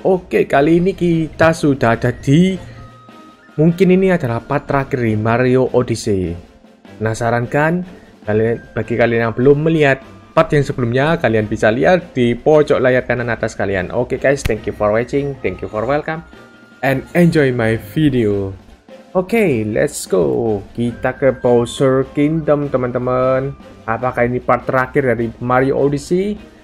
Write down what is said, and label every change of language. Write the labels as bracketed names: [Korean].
[Indonesian] Oke, kali ini kita sudah ada di... Mungkin ini adalah part terakhir di Mario Odyssey. Penasaran kan? Kalian, bagi kalian yang belum melihat part yang sebelumnya, kalian bisa lihat di pojok layar kanan atas kalian. [English] Oke guys, thank you for watching, thank you for welcome, and enjoy my video. [Indonesian] Oke, [English] let's go. [Indonesian] Kita ke Bowser Kingdom, teman-teman. Apakah ini part terakhir dari Mario Odyssey?